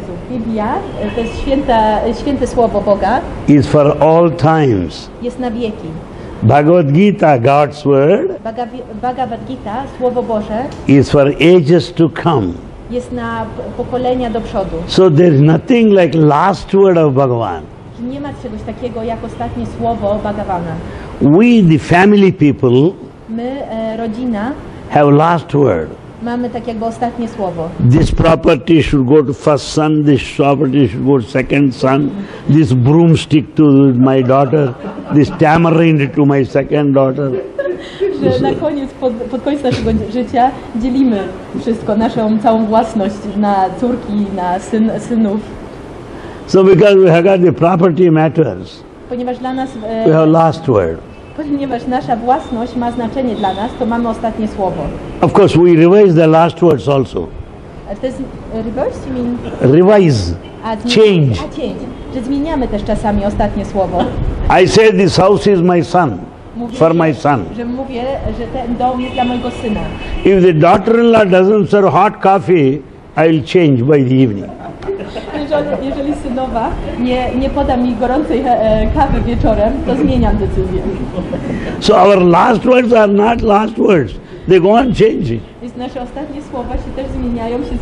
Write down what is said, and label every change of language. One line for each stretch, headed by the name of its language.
Polish: Biblia, to jest święte słowo Boga.
English: Is for all times.
Polish: Jest na wieki.
English: Bhagavad Gita, God's word.
Polish: Bhagavad Gita, słowo Boże.
English: Is for ages to come.
Polish: Jest na pokolenia do przodu.
English: So there is nothing like last word of Bhagavan.
Polish: Nie ma czegoś takiego jak ostatnie słowo Bhagavana.
English: We the family people,
Polish: my rodzina,
English: have last word.
Polish: Mamy tak jakby ostatnie słowo.
English: This property should go to first son, this property should go to second son, this broomstick to my daughter, this tamarind to my second daughter.
Polish: Że na koniec, pod koniec naszego życia dzielimy wszystko, naszą całą własność na córki, na synów.
English: So because we have got the property matters,
Polish: ponieważ dla nas,
English: we have last word.
Polish: Ponieważ nasza własność ma znaczenie dla nas, to mamy ostatnie słowo.
English: Of course, we revise the last words also. This reverse, you mean? Revise. A change.
Polish: Że zmieniamy też czasami ostatnie słowo.
English: I said this house is my son.
Polish: Mówię,
English: for my son.
Polish: Że mówię, że ten dom jest dla mojego syna.
English: If the daughter-in-law doesn't serve hot coffee, I'll change by the evening.
Polish: Jeżeli synowa nie poda mi gorącej kawy wieczorem, to zmieniam decyzję.
English: So our last words are not last words. They go on changing.
Polish: Więc nasze ostatnie słowa się też zmieniają,